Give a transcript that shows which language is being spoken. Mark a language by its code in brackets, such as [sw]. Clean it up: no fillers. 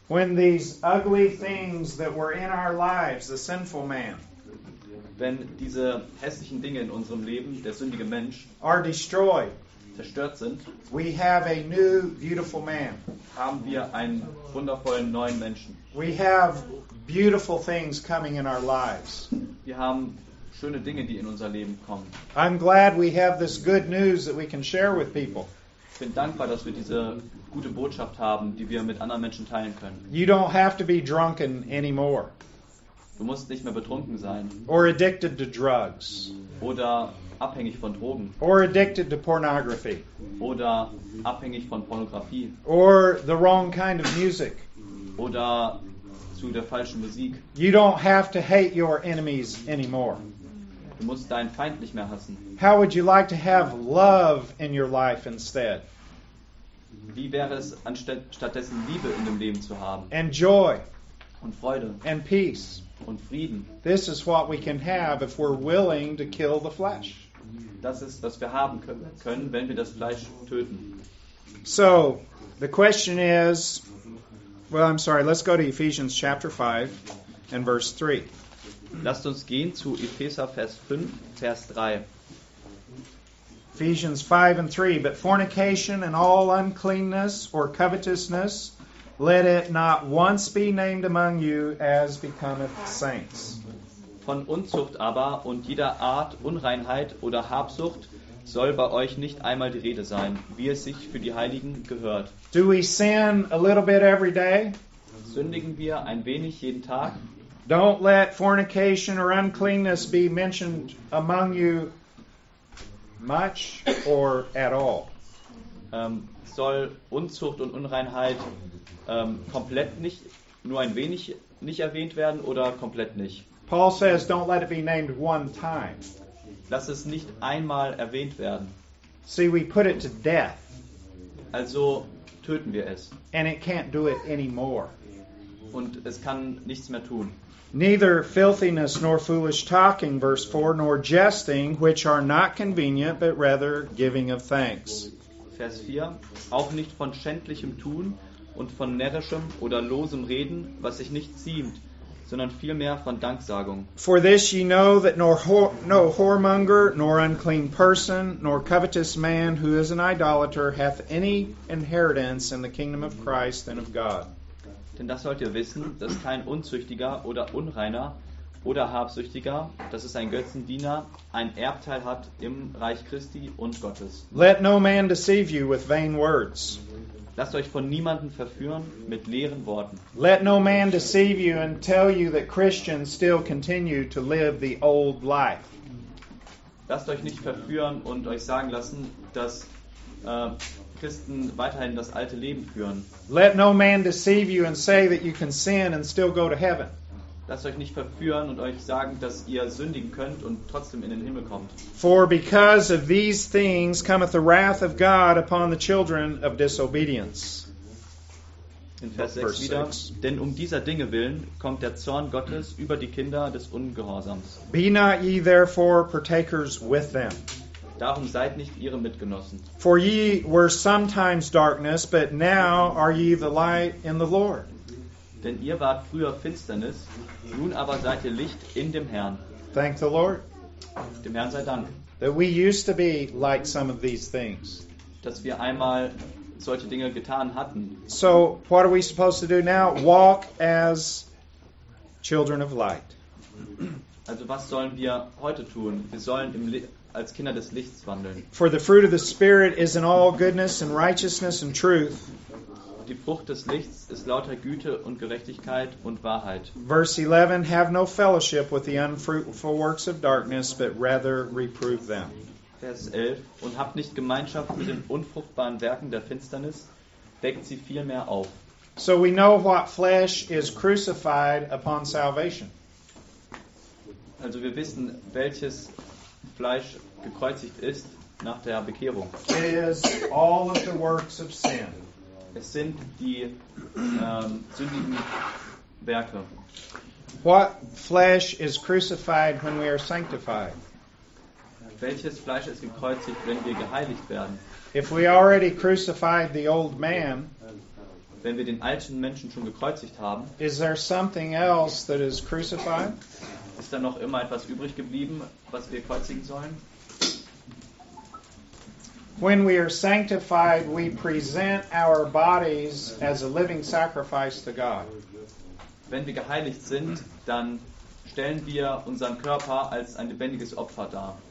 [en] When these ugly things that were in our lives, the sinful man, [de] wenn diese hässlichen Dinge in unserem Leben, der sündige Mensch, [en] are destroyed, [de] zerstört sind, [en] we have a new beautiful man. [de] Haben wir einen wundervollen neuen Menschen. [en] We have beautiful things coming in our lives. [de] Wir haben schöne Dinge, die in unser Leben kommen. [en] I'm glad we have this good news that we can share with people. [de] Ich bin dankbar, dass wir diese gute Botschaft haben, die wir mit anderen Menschen teilen können. [en] You don't have to be drunken anymore. [de] Du musst nicht mehr betrunken sein. [en] Or addicted to drugs. [de] Oder abhängig von Drogen. [en] Or addicted to pornography. [de] Oder abhängig von Pornografie. [en] Or the wrong kind of music. [de] Oder zu der falschen Musik. [en] You don't have to hate your enemies anymore. [de] Du musst deinen Feind nicht mehr hassen. [en] How would you like to have love in your life instead? [de] Wie wäre es stattdessen Liebe in dem Leben zu haben? [en] And joy. [de] Und Freude. [en] And peace. [de] Und Frieden. [en] This is what we can have if we're willing to kill the flesh. [de] Das ist, was wir haben können, wenn wir das Fleisch töten. [en] So, the question is, well, I'm sorry, let's go to Ephesians chapter 5 and verse 3. [de] Lasst uns gehen zu Epheser Vers 5, Vers 3. [en] Ephesians 5 and 3. But fornication and all uncleanness or covetousness, let it not once be named among you as becometh saints. [de] Von Unzucht aber und jeder Art Unreinheit oder Habsucht soll bei euch nicht einmal die Rede sein, wie es sich für die Heiligen gehört. [en] Do we sin a little bit every day? [de] Sündigen wir ein wenig jeden Tag? [en] Don't let fornication or uncleanness be mentioned among you much or at all. [de] Soll Unzucht und Unreinheit komplett nicht, nur ein wenig nicht erwähnt werden oder komplett nicht? [en] Paul says, don't let it be named one time. [de] Lass es nicht einmal erwähnt werden. [en] See, we put it to death. [de] Also töten wir es. [en] And it can't do it anymore. [de] Und es kann nichts mehr tun. [en] Neither filthiness nor foolish talking, verse 4, nor jesting, which are not convenient, but rather giving of thanks. [de] Vers 4, auch nicht von schändlichem Tun und von närrischem oder losem Reden, was sich nicht ziemt, sondern vielmehr von Danksagung. [en] For this ye know that no whoremonger, nor unclean person, nor covetous man, who is an idolater, hath any inheritance in the kingdom of Christ and of God. [de] Denn das sollt ihr wissen, dass kein Unzüchtiger oder Unreiner oder Habsüchtiger, das ist ein Götzendiener, ein Erbteil hat im Reich Christi und Gottes. [en] Let no man deceive you with vain words. [de] Lasst euch von niemandem verführen mit leeren Worten. [en] Let no man deceive you and tell you that Christians still continue to live the old life. [de] Lasst euch nicht verführen und euch sagen lassen, dass Christen weiterhin das alte Leben führen. [en] Let no man deceive you and say that you can sin and still go to heaven. [de] Lasst euch nicht verführen und euch sagen, dass ihr sündigen könnt und trotzdem in den Himmel kommt. [en] For because of these things cometh the wrath of God upon the children of disobedience. [de] In Vers 6 wieder. Denn um dieser Dinge willen kommt der Zorn Gottes über die Kinder des Ungehorsams. [en] Be not ye therefore partakers with them. [de] Darum seid nicht ihre Mitgenossen. [en] For ye were sometimes darkness, but now are ye the light in the Lord. [de] Denn ihr wart früher Finsternis, nun aber seid ihr Licht in dem Herrn. [en] Thank the Lord. [de] Dem Herrn sei Dank. [en] That we used to be like some of these things. [de] Dass wir einmal solche Dinge getan hatten. [en] So, what are we supposed to do now? Walk as children of light. [de] Also, was sollen wir heute tun? Wir sollen im als Kinder des Lichts wandeln. [en] For the fruit of the Spirit is in all goodness and righteousness and truth. [de] Die Frucht des Lichts ist lauter Güte und Gerechtigkeit und Wahrheit. [en] Verse 11, have no fellowship with the unfruitful works of darkness, but rather reprove them. [de] Vers 11, und habt nicht Gemeinschaft mit den unfruchtbaren Werken der Finsternis, deckt sie vielmehr auf. [en] So we know what flesh is crucified upon salvation. [de] Also wir wissen, welches Fleisch gekreuzigt ist nach der Bekehrung. [en] It is all of the works of sin. [de] Es sind die sündigen Werke. [en] What flesh is crucified when we are sanctified? [de] Welches Fleisch ist gekreuzigt, wenn wir geheiligt werden? [en] If we already crucified the old man, [de] wenn wir den alten Menschen schon gekreuzigt haben, [en] is there something else that is crucified? [de] Ist da noch immer etwas übrig geblieben, was wir kreuzigen sollen? [en] When we are sanctified, we present our bodies as a living sacrifice to God. [de] Wenn wir geheiligt sind, dann stellen wir unseren Körper als ein lebendiges Opfer dar.